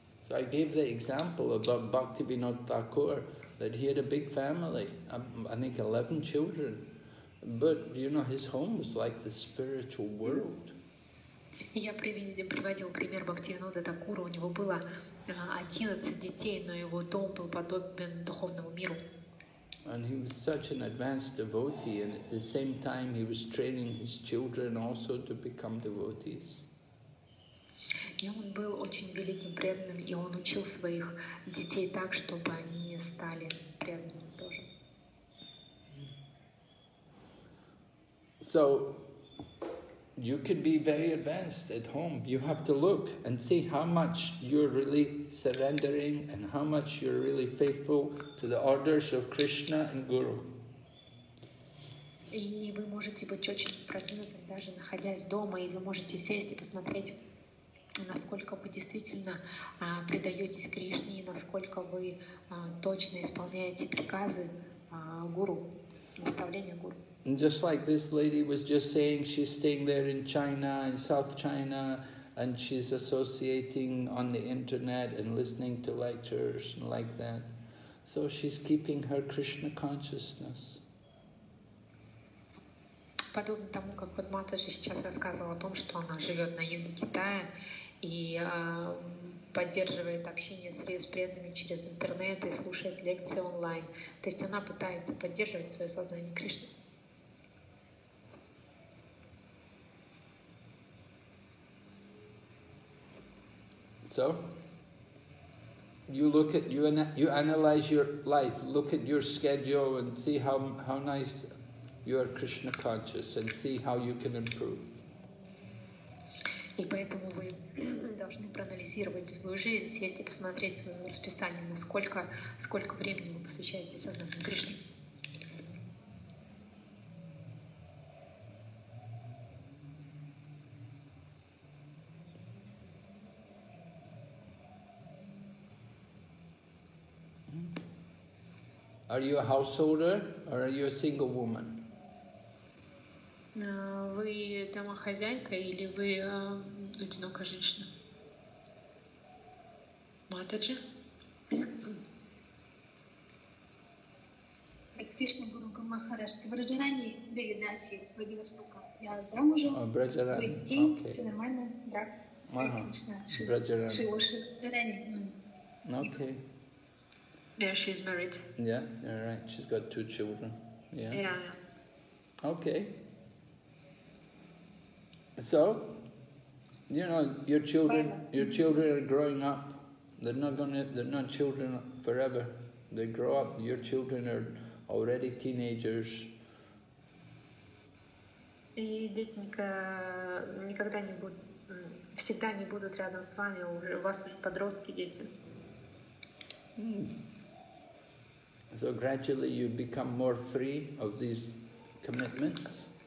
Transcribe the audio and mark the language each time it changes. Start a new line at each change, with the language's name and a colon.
English: So I gave the example about Bhaktivinoda Thakur, that he had a big family, I think 11 children, but you know, his home was like the spiritual world.
Russian: Я приводил пример Бхактивинода Такура, у него было 11 детей, но его дом был подобен духовному миру.
English: And he was such an advanced devotee, and at the same time he was training his children also to become devotees.
Russian: И он был очень великим преданным, и он учил своих детей так, чтобы они стали преданными тоже.
English: So you can be very advanced at home. You have to look and see how much you're really surrendering and how much you're really faithful to the orders of Krishna and Guru.
Russian: И вы можете быть очень продвинутым, даже находясь дома, и вы можете сесть и посмотреть, насколько вы действительно предаетесь Кришне и насколько вы точно исполняете приказы Гуру, наставления Гуру.
English: And just like this lady was just saying, she's staying there in China, in South China, and she's associating on the internet and listening to lectures and like that. So she's keeping her Krishna consciousness.
Russian: Подобно тому, как вот Матаджи сейчас рассказывала о том, что она живет на юге Китая и поддерживает общение с преданными через интернет и слушает лекции онлайн. То есть она пытается поддерживать свое сознание Кришны.
English: So, you analyze your life, look at your schedule and see how nice you are Krishna conscious and see how you can improve.
Russian: И поэтому вы должны проанализировать свою жизнь, сесть и посмотреть свое расписание, сколько времени вы посвящаете сознанию Кришне.
English: Are you a householder or are you a single woman?
Russian: Вы домохозяйка или вы одинокая женщина? Матаджи? Кришна Гуру Махарадж, ты в Раджарани Девидаси из Владивостока. Я замужем. В Раджарани. Все нормально, да? Конечно. В Раджарани. Раджарани.
English: Okay. Yeah, she's married. Yeah, all right. She's got two children. Yeah. Yeah. Okay. So, you know, your children are growing up. They're not children forever. They grow up. Your children are already teenagers.
Russian: И дети никогда не будут, всегда не будут рядом с вами. Уже у вас уже подростки, дети.
English: So gradually you become more free of these commitments.